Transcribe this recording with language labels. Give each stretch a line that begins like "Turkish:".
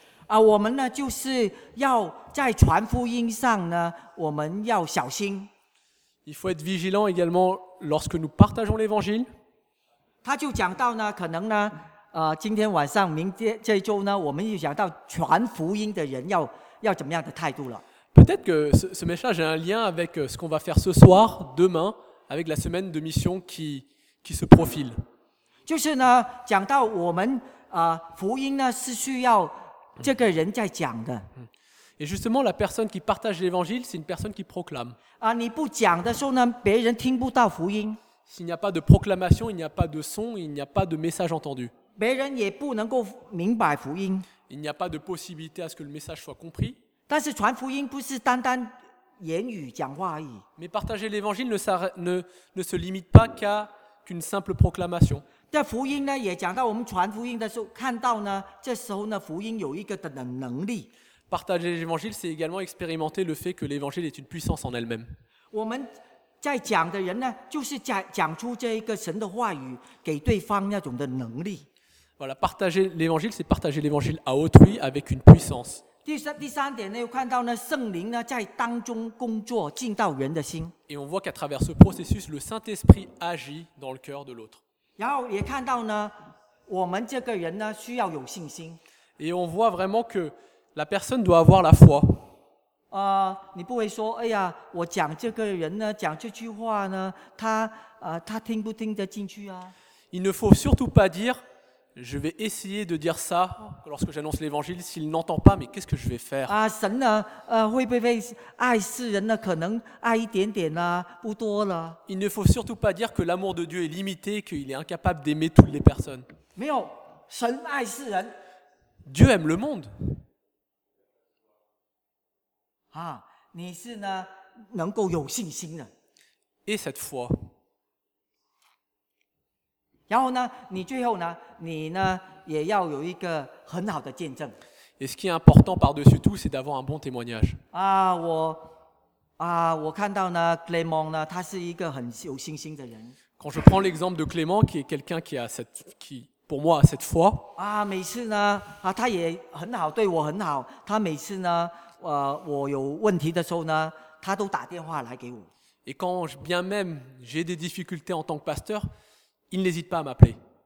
Chinese: 啊，我们呢就是要在传福音上呢，我们要小心。
French: Il faut être vigilant également lorsque nous partageons l'évangile.
Chinese: 他就讲到呢，可能呢，今天晚上、明天这一周呢，我们就讲到传福音的人要怎么样的态度了。
French: Peut-être que ce message a un lien avec ce qu'on va faire ce soir, demain, avec la semaine de mission qui se profile.
Chinese: 就是呢，讲到我们。福音呢是需要这个人在讲的。
French: Et justement, la personne qui partage l'évangile, c'est une personne qui proclame.
Chinese: 啊，你不讲的时候呢，别人听不到福音。
French: S'il n'y a pas de proclamation, il n'y a pas de son, il n'y a pas de message entendu.
Chinese: 别人也不能够明白福音。
French: Il n'y a pas de possibilité à ce que le message soit compris.
Chinese: 但是传福音不是单单言语讲话而已。
French: Mais partager l'évangile ne se limite pas qu'à une simple proclamation.
Chinese: 这福音呢，也讲到我们传福音的时候，看到呢，这时候呢，福音有一个的能力。
French: Partager l'évangile, c'est également expérimenter le fait que l'évangile est une puissance en elle-même.
Chinese: 我们在讲的人呢，就是讲出这一个神的话语给对方那种的能力。
French: Voilà, partager l'évangile, c'est partager l'évangile à autrui avec une puissance.
Chinese: 第三点呢，又看到呢，圣灵呢在当中工作，进到人的心。
French: Et on voit qu'à travers ce processus, le Saint-Esprit agit dans le cœur de l'autre.
Chinese: 然后也看到呢，我们这个人呢需要有信心。
French: Et on voit vraiment que la personne doit avoir la foi.
Chinese: 你不会说，哎呀，我讲这个人呢，讲这句话呢，他听不听得进去啊
French: ？Il ne faut surtout pas dire, je vais essayer de dire ça lorsque j'annonce l'évangile. S'il n'entend pas, mais qu'est-ce que je vais faire？
Chinese: 啊，神呢，会不会爱世人呢？可能爱一点点啊，不多了。
French: Il ne faut surtout pas dire que l'amour de Dieu est limité, qu'il est incapable d'aimer toutes les personnes.
Chinese: 没有，神爱世人。
French: Dieu aime le monde.
Chinese: 啊，你是呢，能够有信心的。
French: Et cette foi.
Chinese: 然后呢，你最后呢，你呢也要有一个很好的见证。
French: Et ce qui est important par-dessus tout, c'est d'avoir un bon témoignage.
Chinese: 啊，我看到呢 ，Clément 呢，他是一个很有信心的人。
French: Quand je prends l'exemple de Clément, qui est quelqu'un qui a cette, qui pour moi a cette foi.
Chinese: 啊，每次呢，啊，他也很好，对我很好。他每次呢，我有问题的时候呢，他都打电话来给我。
French: Et quand bien même j'ai des difficultés en tant que pasteur. Il n'hésite pas à m'appeler.